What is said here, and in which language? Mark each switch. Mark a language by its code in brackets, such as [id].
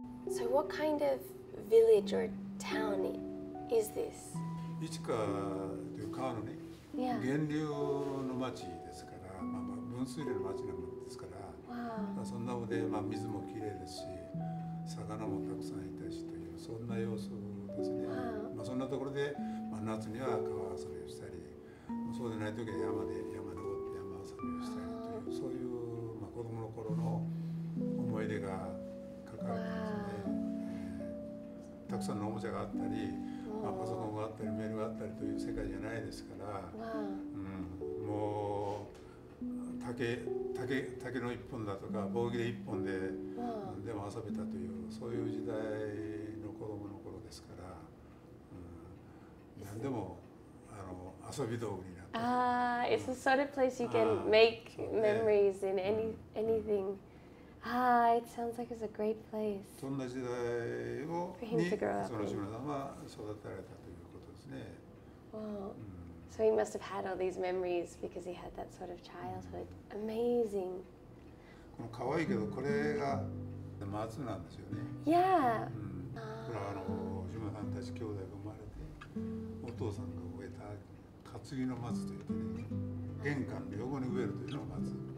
[en] So what kind of village or town is this? [ja] Ichika という川のね、 [en] yeah. [ja] 源流の町ですから、まあ、まあ分水嶺の町なんですから、 [en] wow. [ja] まあ、そんなので、まあ、水もきれいですし、魚もたくさんいたしという、そんな様子ですね。 [en] Wow. [ja] まあ、そんなところで、まあ、夏には川遊びをしたり、そうでないときは山登って遊びをしたりという、wow. そういう子供の頃の思い出が書かれてますね。 [en] Wow. [ja] たくさんのおもちゃがあったり、まあ、パソコンがあったりメールがあったりという世界じゃないですから、うん、もう竹の一本だとか棒切れ一本で何でも遊べたというそういう時代の子供の頃ですから、うん、何でも遊び道具になった。 [en] ああ、It's the sort of place you can make memories in anything. Ah, it sounds like it's a great place. [ja] そんな時代をにその島さんは育てられたということですね。 [en] So he must have had all these memories because he had that sort of childhood. Amazing. [ja] この可愛いけどこれが松なんですよね。 [en] Yeah. [ja] これは島さんたち兄弟が生まれて、お父さんが植えた担ぎの松というかね、玄関の横に植えるというのが松。